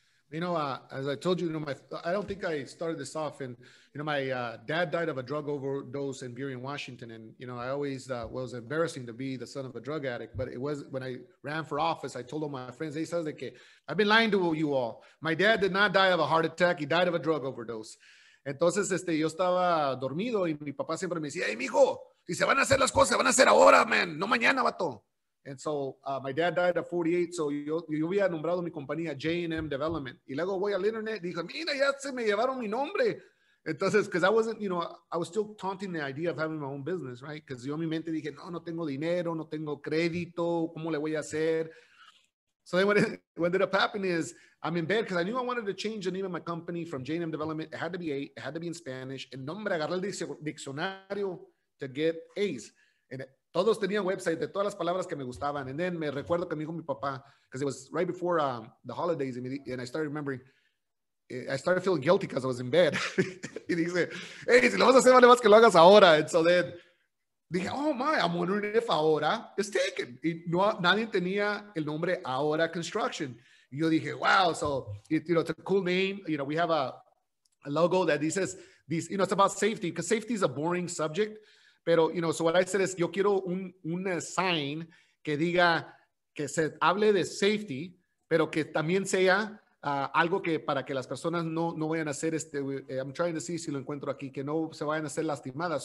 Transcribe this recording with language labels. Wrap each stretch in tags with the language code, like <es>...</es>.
<en>You know, as I told you, you know, I don't think I started this off, and you know, my dad died of a drug overdose in Burien, Washington, and you know, I always was embarrassing to be the son of a drug addict. But it was when I ran for office, I told all my friends, "Hey, says okay, I've been lying to you all. My dad did not die of a heart attack; he died of a drug overdose."</en> <es>Entonces, yo estaba dormido, y mi papá siempre me decía, "Hey, mijo, si se van a hacer las cosas, se van a hacer ahora, man, no mañana, vato."</es> <en>And so my dad died at 48. So</en> <es>yo había nombrado mi compañía J&M Development. Y luego voy al internet. Dijo, mira, ya se me llevaron mi nombre.</es> <en>Entonces, because I wasn't, you know, I was still taunting the idea of having my own business, right?</en> <es>Because yo en mi mente dije, no tengo dinero, no tengo crédito. ¿Cómo le voy a hacer?</es> <en>So then what ended up happening is I'm in bed because I knew I wanted to change the name of my company from J&M Development. It had to be A. It had to be in Spanish. And</en> <es>nombre, agarré el diccionario</es> <en>to get A's.</en> <es>And todos tenían website de todas las palabras que me gustaban.</es> <en>And then</en> <es>me recuerdo que me dijo mi papá,</es> <en>because it was right before the holidays, and I started remembering, I started feeling guilty because I was in bed.</en> <es>Y dice, hey, si lo vas a hacer, vale más que lo hagas ahora.</es> <en>And so then,</en> <es>dije,</es> <en>oh my, I'm wondering if ahora is taken.</en> <es>Y no, nadie tenía el nombre Ahora Construction. Y yo dije,</es> <en>wow, so, it, you know, it's a cool name. You know, we have a logo that dices, these, you know, it's about safety, because safety is a boring subject.</en> <es>Pero,</es> <en>you know, so what I said is,</en> <es>yo quiero un sign que diga, que se hable de safety, pero que también sea algo que para que las personas no vayan a hacer este,</es> <en>I'm trying to see</en> <es>si lo encuentro aquí, que no se vayan a hacer lastimadas.</es>